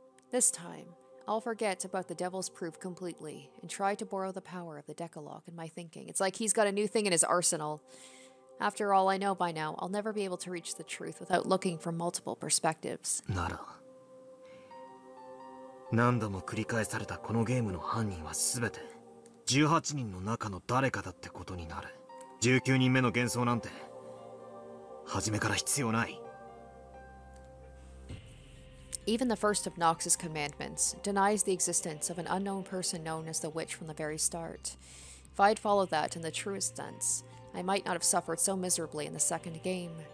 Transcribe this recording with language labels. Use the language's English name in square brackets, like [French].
[English] This time, I'll forget about the Devil's Proof completely and try to borrow the power of the Decalogue in my thinking. It's like he's got a new thing in his arsenal. After all, I know by now I'll never be able to reach the truth without looking from multiple perspectives. Nara. [Japanese] 何度も繰り返されたこのゲームの犯人は全て18人の中の誰かだってことになる。19人目の幻想なんて初めから必要ない。 [English] Even the first of Nox's commandments denies the existence of an unknown person known as the Witch from the very start. If I had followed that in the truest sense, I might not have suffered so miserably in the second game.